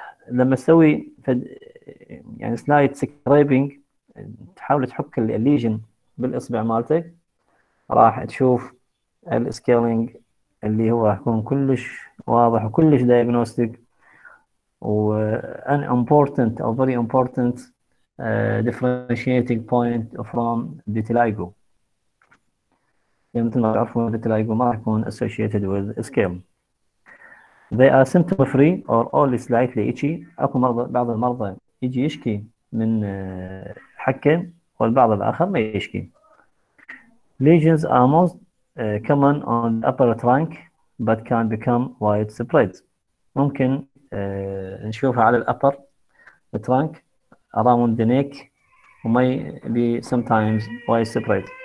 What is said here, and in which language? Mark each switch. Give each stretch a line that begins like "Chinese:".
Arabic: لما تسوي يعني سلايد سكريبنج تحاول تحك الليجن بالاصبع مالتك راح تشوف السكيلينج اللي هو راح يكون كلش واضح وكلش دايجنوستيك،
English: و an important or very important differentiating point from vitiligo.
Arabic: يعني مثل ما تعرفون vitiligo ما راح يكون
English: associated with scale. They are symptom free or only slightly itchy.
Arabic: أكو مرضى بعض المرضى يجي يشكي من حكة والبعض الآخر ما يشكي.
English: Lesions are most common on the upper trunk but can become widespread.
Arabic: ممكن نشوفها على الأبر الترانك
English: around the neck
Arabic: وماي بي
English: sometimes widespread.